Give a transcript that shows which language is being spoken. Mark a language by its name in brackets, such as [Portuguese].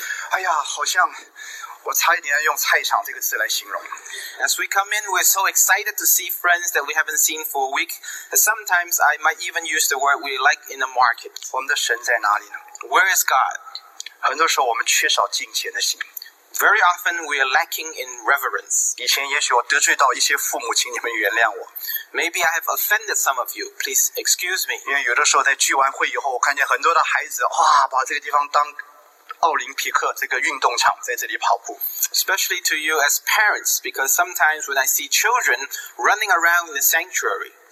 [Chinese] 哎呀，好像我差一点用菜场这个词来形容。 [English] As we come in, we're so excited to see friends that we haven't seen for a week. Sometimes I might even use the word we like in the market. [Chinese] 我们的神在哪里呢？ [English] Where is God? [Chinese] 很多时候我们缺少敬虔的心。 [English] Very often we are lacking in reverence. [Chinese] 以前也许我得罪到一些父母，请你们原谅我。 [English] Maybe I have offended some of you. Please excuse me. [Chinese] 因为有的时候在聚完会以后，我看见很多的孩子，把这个地方当奥林匹克这个运动场，在这里跑步。 [English] Especially to you as parents, because sometimes when I see children running around in the sanctuary,